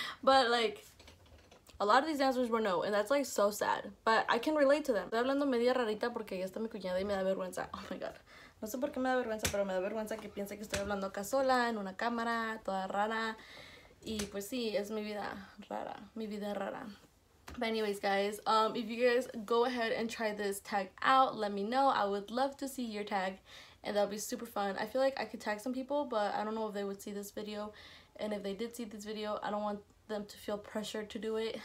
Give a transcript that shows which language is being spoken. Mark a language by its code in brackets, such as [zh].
[en] But like, a lot of these answers were no, and that's like so sad. But I can relate to them. [es] Estoy hablando media rarita porque ya está mi cuñada y me da vergüenza. [en] Oh my god. [es] No sé por qué me da vergüenza, pero me da vergüenza que piense que estoy hablando acá sola en una cámara, toda rara. Y pues sí, es mi vida rara. Mi vida rara. [en] But anyways, guys, if you guys go ahead and try this tag out, let me know. I would love to see your tag, and that would be super fun. I feel like I could tag some people, but I don't know if they would see this video. And if they did see this video, I don't want them to feel pressured to do it.